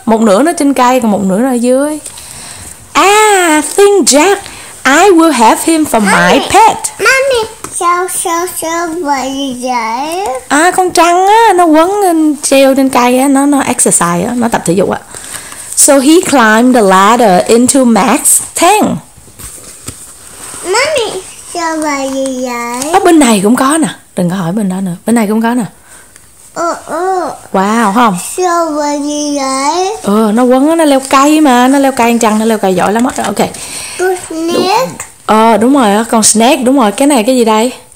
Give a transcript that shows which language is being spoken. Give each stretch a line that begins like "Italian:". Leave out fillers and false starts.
Vietnamese: Một nửa nó trên cây, còn một nửa nó ở dưới.
English: I think Jack, I will have him for my pet.
Vietnamese: Mommy, sao vậy vậy? Con trăng á, nó quấn lên treo trên cây á, nó exercise á, nó tập thể dục á.
English: So he climbed the ladder into Max's tank.
Vietnamese: Mommy, sao vậy vậy? Bên này cũng có nè, đừng có hỏi bên đó nữa, bên này cũng có nè. Wow, không? Sao vậy vậy? Nó quấn, nó leo cây mà. Nó leo cây anh Trăng, nó leo cây giỏi lắm á. Ok. Con snake. Đúng rồi, con snake, đúng rồi. Cái này cái gì đây?